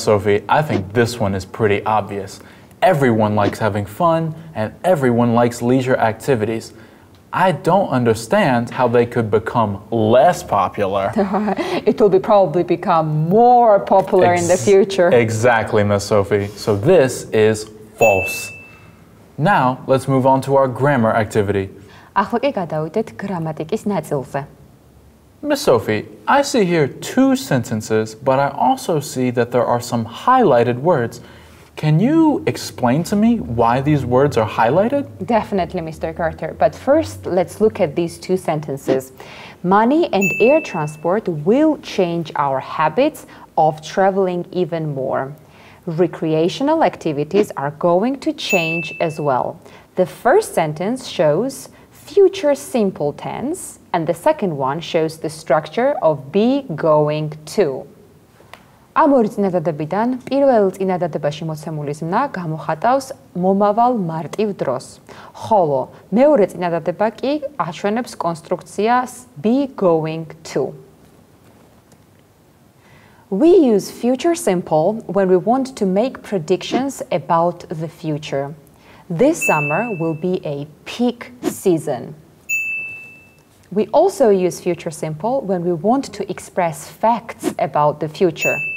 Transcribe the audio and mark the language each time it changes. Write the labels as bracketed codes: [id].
[en] Sophie, I think this one is pretty obvious. Everyone likes having fun, and everyone likes leisure activities. I don't understand how they could become less popular. It will probably become more popular in the future. Exactly, Ms. Sophie. So this is false. Now, let's move on to our grammar activity. [ka] ახლა კი გადავიდეთ გრამატიკის ნაწილზე. [en] Ms. Sophie, I see here two sentences, but I also see that there are some highlighted words. Can you explain to me why these words are highlighted? Definitely, Mr. Carter. But first, let's look at these two sentences. Money and air transport will change our habits of traveling even more. Recreational activities are going to change as well. The first sentence shows future simple tense, and the second one shows the structure of be going to. [ka] ამ ორი წინადადებიდან პირველ წინადადებაში მოცემული ზმნა გამოხატავს მომავალ მარტივ დროს, ხოლო მეორე წინადადება კი აშვენებს კონსტრუქციას be going to. [en] We use future simple when we want to make predictions about the future. This summer will be a peak season. We also use future simple when we want to express facts about the future.